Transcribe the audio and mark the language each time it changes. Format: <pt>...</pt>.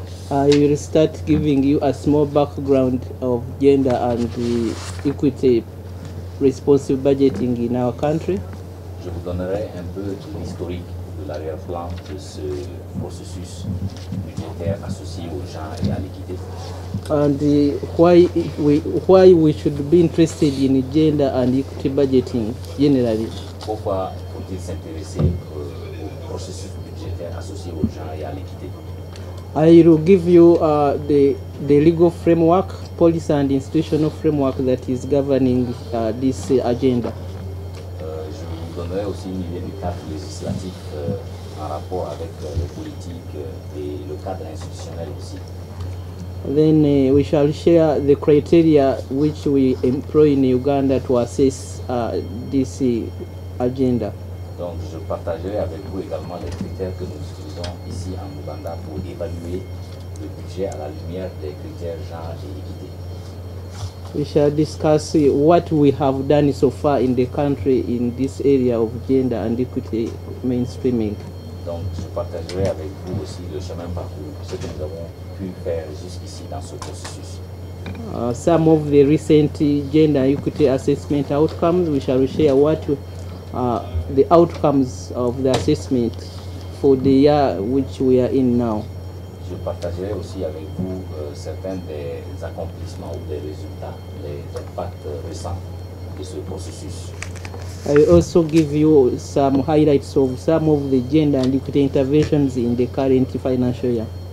<en>I will start giving you a small background of gender and the equity responsive budgeting in our country.</en> <fr>Je vous donnerai un peu l'historique de l'arrière-plan de ce processus budgétaire associé aux genres et à l'équité.</fr> <en>And why we should be interested in gender and equity budgeting generally.</en> <fr>Pourquoi faut-il s'intéresser au processus budgétaire associé au genre et à l'équité?</fr> <en>I will give you the legal framework, policy and institutional framework that is governing this agenda.</en> <fr>Je vous donnerai aussi une idée du cadre législatif en rapport avec les politiques et le cadre institutionnel aussi.</fr> <en>Then we shall share the criteria which we employ in Uganda to assess this agenda.</en> <fr>Donc je partagerai avec vous également les critères que nous utilisons ici en Uganda pour évaluer le budget à la lumière des critères genre et équité.</fr> <en>We shall discuss what we have done so far in the country in this area of gender and equity mainstreaming.</en> <fr>Donc je partagerai avec vous aussi le chemin parcours, ce que nous avons faire jusqu'ici dans ce processus.</fr> <en>Some of the recent gender equity assessment outcomes, we shall share what the outcomes of the assessment for the year which we are in now.</en> <fr>Je partagerai aussi avec vous certains des accomplissements ou des résultats, les impacts récents de ce processus.</fr> <en>I will also give you some highlights of some of the gender and equity interventions in the current financial year.</en>